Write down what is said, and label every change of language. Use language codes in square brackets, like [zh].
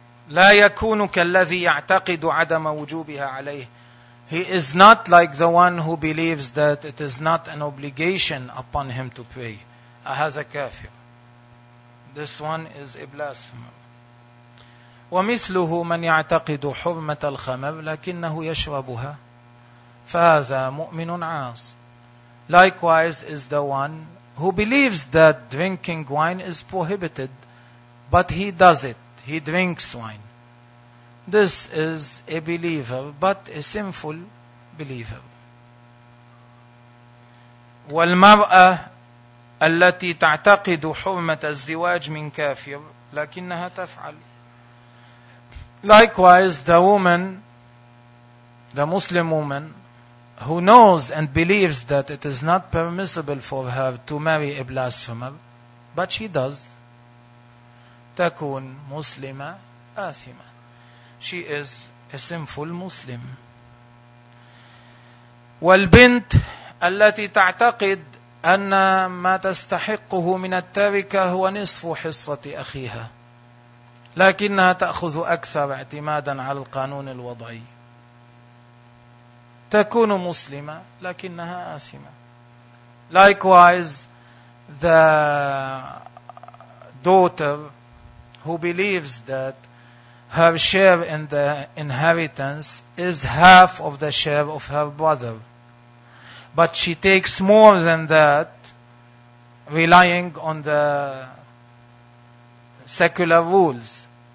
[ar] لا يكون كالذي يعتقد عدم وجوبها عليه. [en] He is not like the one who believes that it is not an obligation upon him to pray. [ar] أَهَذَا كَافِرٌ [en] This one is a blasphemer. [ar] وَمِثْلُهُ مَنْ يَعْتَقِدُ حُرْمَةَ الْخَمَرِ لَكِنَّهُ يَشْرَبُهَا فَهَذَا مُؤْمِنٌ عَاصٍ [en] Likewise is the one who believes that drinking wine is prohibited, but he does it. He drinks wine. This is a believer, but a sinful believer. [ar] والمرأة التي تعتقد حرمة الزواج من كافر لكنها تفعل. [en] Likewise, the woman, the Muslim woman, who knows and believes that it is not permissible for her to marry a blasphemer, but she does. [ar] تكون مسلمة آثمة. [en] She is a sinful Muslim. [ar] والبنت التي تعتقد أن ما تستحقه من التركة هو نصف حصة أخيها لكنها تأخذ أكثر اعتمادا على القانون الوضعي تكون مسلمة لكنها آثمة. [en] Likewise, the daughter who believes that her share in the inheritance is half of the share of her brother. But she takes more than that, relying on the secular rules.